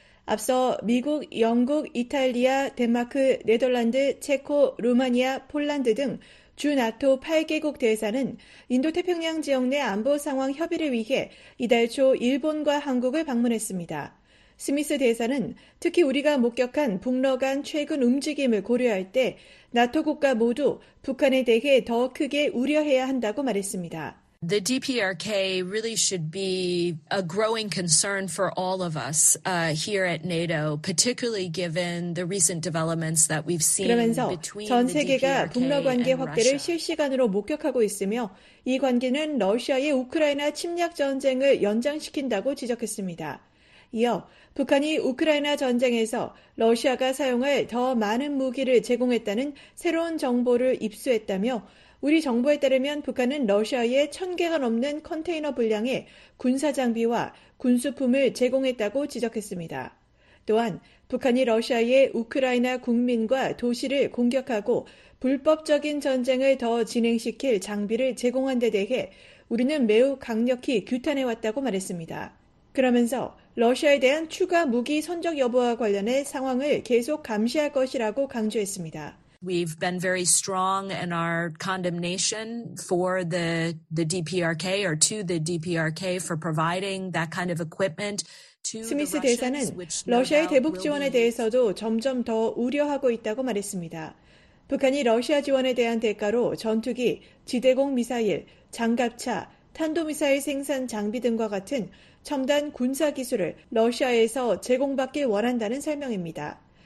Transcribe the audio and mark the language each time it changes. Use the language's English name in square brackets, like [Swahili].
[Korean] 앞서 미국, 영국, 이탈리아, 덴마크, 네덜란드, 체코, 루마니아, 폴란드 등 주 나토 8개국 대사는 인도태평양 지역 내 안보 상황 협의를 위해 이달 초 일본과 한국을 방문했습니다. 스미스 대사는 특히 우리가 목격한 북러 간 최근 움직임을 고려할 때 나토 국가 모두 북한에 대해 더 크게 우려해야 한다고 말했습니다. [English] The DPRK really should be a growing concern for all of us here at NATO, particularly given the recent developments that we've seen between the DPRK and Russia. [Korean] 그러면서 전 세계가 북러 관계 확대를 실시간으로 목격하고 있으며 이 관계는 러시아의 우크라이나 침략 전쟁을 연장시킨다고 지적했습니다. 이어 북한이 우크라이나 전쟁에서 러시아가 사용할 더 많은 무기를 제공했다는 새로운 정보를 입수했다며 우리 정부에 따르면 북한은 러시아에 1,000개가 넘는 컨테이너 분량의 군사 장비와 군수품을 제공했다고 지적했습니다. 또한 북한이 러시아의 우크라이나 국민과 도시를 공격하고 불법적인 전쟁을 더 진행시킬 장비를 제공한 데 대해 우리는 매우 강력히 규탄해왔다고 말했습니다. 그러면서 러시아에 대한 추가 무기 선적 여부와 관련해 상황을 계속 감시할 것이라고 강조했습니다. [English] We've been very strong in our condemnation for the DPRK or to the DPRK for providing that kind of equipment to the Russians. [Korean] 스미스 대사는 러시아의 대북 지원에 대해서도 점점 더 우려하고 있다고 말했습니다. 북한이 러시아 지원에 대한 대가로 전투기, 지대공 미사일, 장갑차, 탄도미사일 생산 장비 등과 같은 첨단 군사 기술을 러시아에서 제공받길 원한다는 설명입니다.